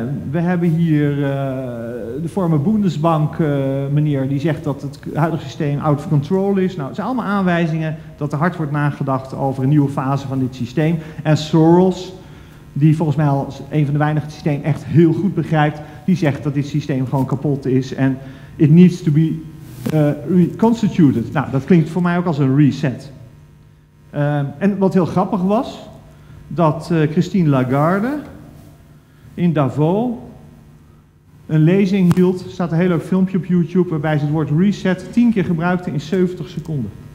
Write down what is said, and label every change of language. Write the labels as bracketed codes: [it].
[nl] We hebben hier de former Bundesbank meneer die zegt dat het huidige systeem [en] out of control [nl] is. Nou, het zijn allemaal aanwijzingen dat er hard wordt nagedacht over een nieuwe fase van dit systeem. En Soros, die volgens mij als een van de weinigen het systeem echt heel goed begrijpt, die zegt dat dit systeem gewoon kapot is. En [en] it needs to be reconstituted. [nl] Nou, dat klinkt voor mij ook als een reset. En wat heel grappig was, dat Christine Lagarde in Davos een lezing hield, er staat een heel leuk filmpje op YouTube, waarbij ze het woord reset 10 keer gebruikte in 70 seconden.